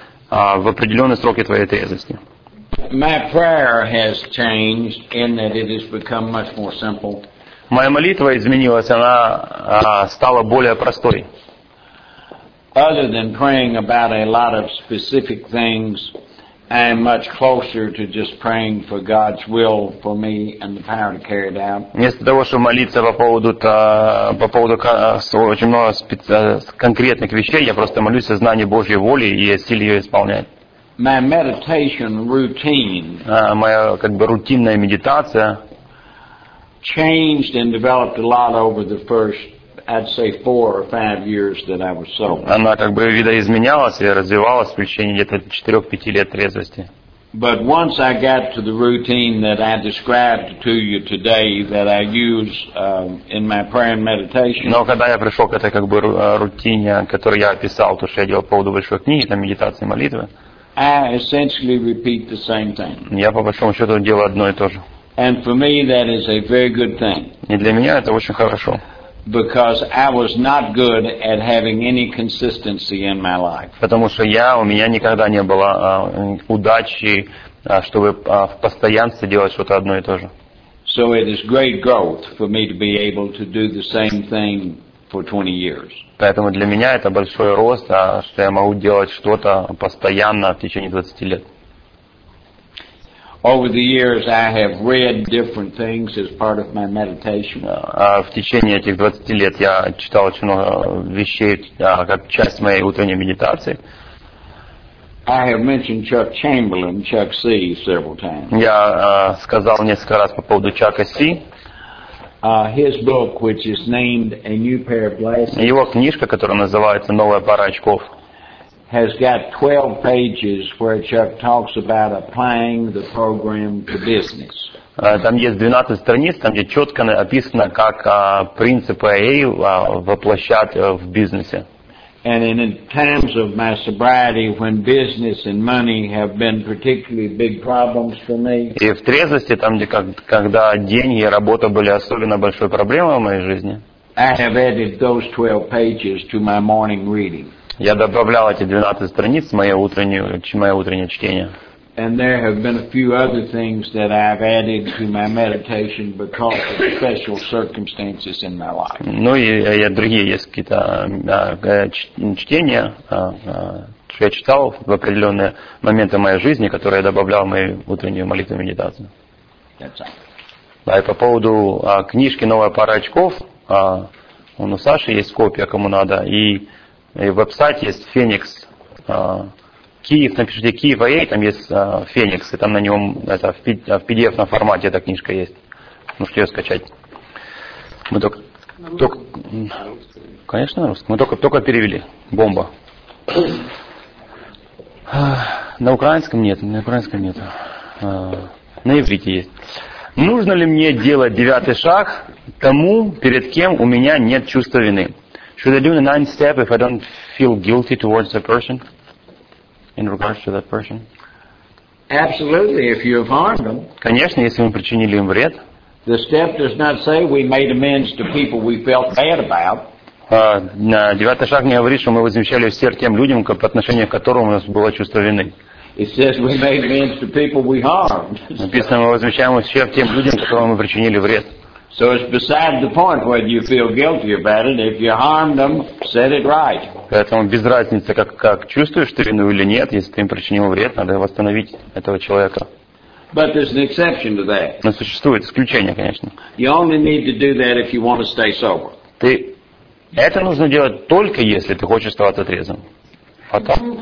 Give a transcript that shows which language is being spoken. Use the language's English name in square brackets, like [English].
[Russian] в определенные сроки твоей трезвости. [English] My prayer has changed in that it has become much more simple. [Russian] Моя молитва изменилась, она стала более простой. [English] Other than praying about a lot of specific things, I am much closer to just praying for God's will for me and the power to carry it out. [Russian] Вместо того, чтобы молиться по поводу очень много конкретных вещей, я просто молюсь о знании Божьей воли и о силе ее исполнять. [English] My meditation routine, [Russian] моя как бы рутинная медитация, [English] changed and developed a lot over the first, I'd say, 4 or 5 years that I was sober. [Russian] Она как бы видоизменялась и развивалась в течение где-то 4-5 лет трезвости. [English] But once I got to the routine that I described to you today that I use in my prayer and meditation. [Russian] Но когда я пришел к этой как бы рутине, которую я описал, то что я делал по поводу большой книги, там медитации, молитвы. [English] I essentially repeat the same thing. [Russian] Я по большому счету делаю одно и то же. [English] And for me, that is a very good thing. [Russian] И для меня это очень хорошо. [English] Because I was not good at having any consistency in my life. [Russian] Потому что у меня никогда не было удачи, чтобы в постоянстве делать что-то одно и то же. [English] So it is great growth for me to be able to do the same thing for 20 years. [Russian] Поэтому для меня это большой рост, что я могу делать что-то постоянно в течение 20 лет. [English] Over the years I have read different things as part of my meditation. [Russian] В течение этих 20 лет я читал очень много вещей как часть моей утренней медитации. [English] I have mentioned Chuck Chamberlain, Chuck C, several times. [Russian] Я сказал несколько раз по поводу Чака Си. [English] His book, which is named A New Pair of Glasses, [Russian] его книжка, которая называется «Новая пара очков», [English] has got 12 pages where Chuck talks about applying the program to business. [Russian] Там есть 12 страниц, там где четко описано, как принципы AA воплощать в бизнесе. [English] And in times of my sobriety, when business and money have been particularly big problems for me. [Russian] И в трезвости, там где когда деньги и работа были особенно большой проблемой в моей жизни. [English] I have added those 12 pages to my morning reading. [Russian] Я добавлял эти 12 страниц в мое утреннее чтение. [English] And there have been a few other things that I've added to my meditation because of special circumstances in my life. [Russian] Ну и я другие есть какие-то чтения, что я читал в определенные моменты моей жизни, которые я добавлял в мою утреннюю молитву и медитацию. [English] That's all. [Russian] Да, и по поводу книжки «Новая пара очков», у Саши есть копия, кому надо, и веб-сайт есть «Феникс». Киев, напишите Киев АА, там есть Феникс, и там на нем это в PDF на формате эта книжка есть. Можете ее скачать. Мы только. Конечно, на русском. Мы только перевели. Бомба. На украинском нет, на украинском нет. На иврите есть. Нужно ли мне делать 9-й шаг тому, перед кем у меня нет чувства вины? [English] Should I do the 9th step if I don't feel guilty towards the person? In regards to that person? Absolutely, if you have harmed them. [Russian] Конечно, если мы причинили им вред. [English] The step does not say we made amends to people we felt bad about. [Russian] Девятый шаг не говорит, что мы возмещали ущерб тем людям, по отношению к которым у нас было чувство вины. [English] It says we made amends to people we harmed. [Russian] Написано, мы возмещаем ущерб тем людям, которым мы причинили вред. [English] So it's beside the point whether you feel guilty about it. If you harmed them, set it right. [Russian] Поэтому без разницы, как чувствуешь ты вину или нет, если ты им причинил вред, надо восстановить этого человека. [English] But there's an exception to that. [Russian] Но существует исключение, конечно. [English] You only need to do that if you want to stay sober. [Russian] Ты это нужно делать только если ты хочешь оставаться трезвым. А так.